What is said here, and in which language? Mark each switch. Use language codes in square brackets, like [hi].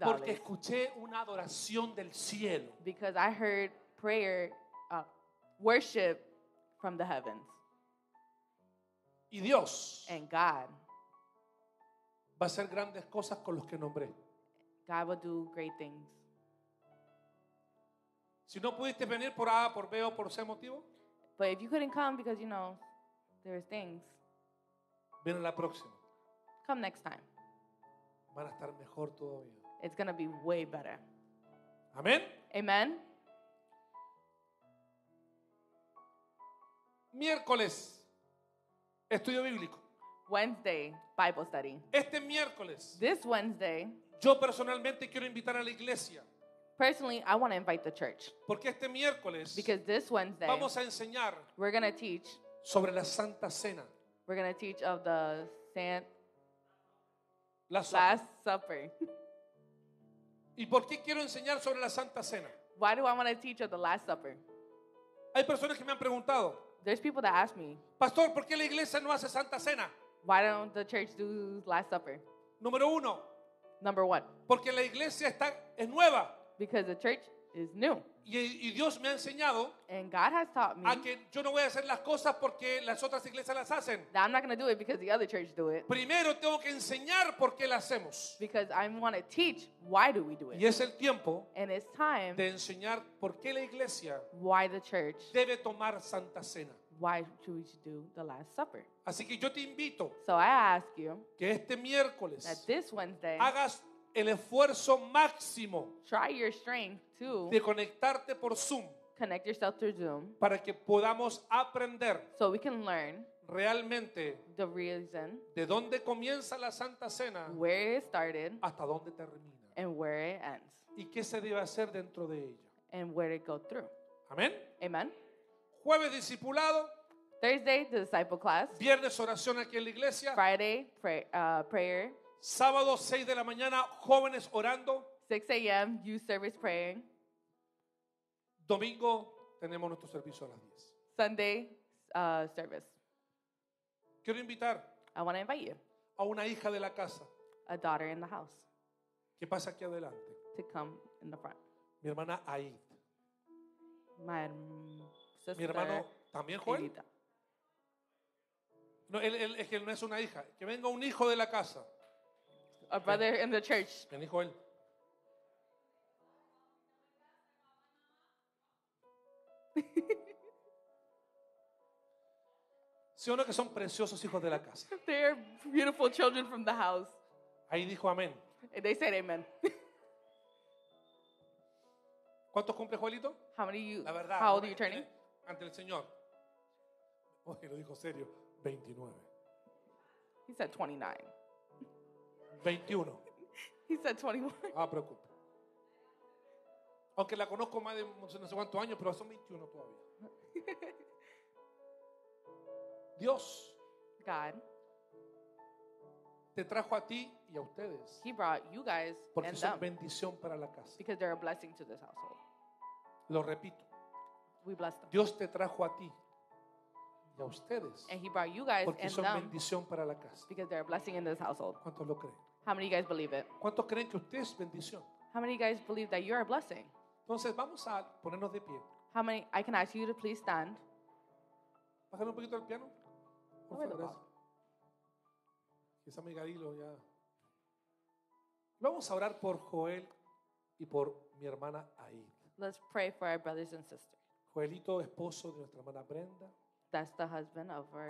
[es] Porque escuché una adoración del cielo. [en] Because I heard prayer, worship from the heavens. [es] Y Dios. [en] And God. [es] Va a hacer grandes cosas con los que nombré. [en] God will do great things. [es] Si no pudiste venir por A, por B o por C motivo. [en] But if you couldn't come because, you know, there's things. [es] Ven a la próxima. [en] Come next time. [es] Van a estar mejor todavía. [en] It's going to be way better. [es] Amén. [en] Amen. [es] Miércoles. Estudio bíblico. [en] Wednesday, Bible study. [es] Este miércoles. [en] This Wednesday. [es] Yo personalmente quiero invitar a la iglesia. [en] Personally, I want to invite the church. [es] Porque este miércoles. [en] Because this Wednesday. [es] Vamos a enseñar. [en] We're going to teach. [es] Sobre la Santa Cena. [en] We're going to teach of the Saint. Last Supper. [es] ¿Y por qué quiero enseñar sobre la Santa Cena? [en] Why do I want to teach of the Last Supper? [es] Hay personas que me han preguntado. [en] There's people that ask me. [es] Pastor, ¿por qué la iglesia no hace Santa Cena? [en] Why don't the church do Last Supper? [es] Número uno. [en] Number one. [es] Porque la iglesia está es nueva. [en] Because the church is new. [es] Y Dios me ha enseñado. [en] And God has taught me. [es] A que yo no voy a hacer las cosas porque las otras iglesias las hacen. [en] That I'm not going to do it because the other church do it. [es] Primero tengo que enseñar por qué lo hacemos. [en] Because I want to teach why do we do it. [es] Y es el tiempo. [en] And it's time. [es] De enseñar por qué la iglesia. [en] Why the church. [es] Debe tomar Santa Cena. [en] Why should we do the Last Supper? [es] Así que yo te invito. [en] So I ask you. [es] Que este miércoles. [en] That this Wednesday. [es] Hagas el esfuerzo máximo. [en] Try your strength too. [es] De conectarte por Zoom. [en] Connect yourself through Zoom. [es] Para que podamos aprender. [en] So we can learn. [es] Realmente. [en] The reason. [es] De dónde comienza la Santa Cena. [en] Where it started. [es] Hasta dónde termina. [en] And where it ends. [es] Y qué se debe hacer dentro de ella. [en] And where it goes through. [es] Amén. [en] Amen. [es] Jueves discipulado. [en] Thursday, the disciple class. [es] Viernes oración aquí en la iglesia. [en] Friday, prayer. [es] Sábado 6 de la mañana, jóvenes orando. [en] 6 a.m., youth service praying. [es] Domingo, tenemos nuestro servicio a las 10. [en] Sunday, service. [es] Quiero invitar. [en] I want to invite you. [es] A una hija de la casa. [en] A daughter in the house. [es] Que pase aquí adelante. [en] To come in the front. [es] Mi hermana Aid. [en] My sister. [es] Mi hermano también Joel. Aidita. No, él es que él no es una hija. Que venga un hijo de la casa. [en] A brother in the church. [es] Ven, hijo él. Sí, uno que son preciosos hijos de la casa. [en] They are beautiful children from the house. [es] Ahí dijo amén. [en] And they said amen. [es] ¿Cuántos cumple Joelito? [en] How many you? [es] La verdad. [en] How old are you turning? [es] Ante el Señor. Oye, lo dijo serio. 29. [en] He said 29. [es] 21. [en] He said 21. [es] Ah, preocupe. Aunque la conozco más de no sé cuántos años, pero son 21 todavía. Dios. [en] God. [es] Te trajo a ti y a ustedes. [en] He brought you guys and them. [es] Porque son bendición para la casa. [en] Because they're a blessing to this household. [es] Lo repito. [en] We bless them. [es] Dios te trajo a ti y a ustedes. [en] And he brought you guys [es] porque [en] and [es] son [en] them. [es] Bendición para la casa. [en] Because they're a blessing in this household. [es] ¿Cuántos lo creen? [en] How many of you guys believe it? [es] ¿Cuántos creen que usted es bendición? [en] How many of you guys believe that you are a blessing? [es] Entonces, vamos a ponernos de pie. [en] How many, I can ask you to please stand. [es] Bájale un poquito el piano. Por favor, gracias. Esa amiga Dilo ya. Vamos a orar por Joel y por mi hermana Aid. [en] Let's pray for our brothers and sisters. [es] Joelito, esposo de nuestra hermana Brenda. [en] That's the husband of our